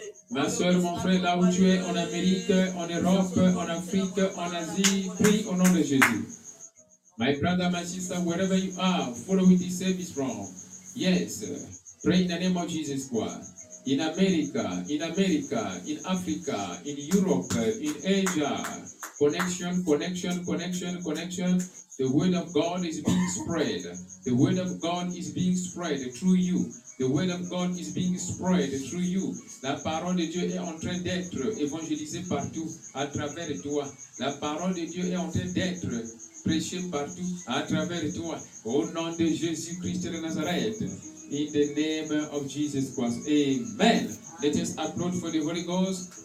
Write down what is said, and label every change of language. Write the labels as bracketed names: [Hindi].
[French] Ma soeur, mon frère, là où tu es, en Amérique, en Europe, en Afrique, en Asie, prie au nom de Jésus. [English] My brother, my sister, wherever you are, following this service from, yes, pray in the name of Jesus Christ. In America, in Africa, in Europe, in Asia, connection, connection, connection, connection. The word of God is being spread. The word of God is being spread through you. The word of God is being spread through you. [French] La parole de Dieu est en train d'être évangélisée partout à travers toi. La parole de Dieu est en train d'être prêchée partout à travers toi. Au nom de Jésus-Christ de Nazareth. [English] In the name of Jesus Christ. Amen. Let us applaud for the Holy Ghost.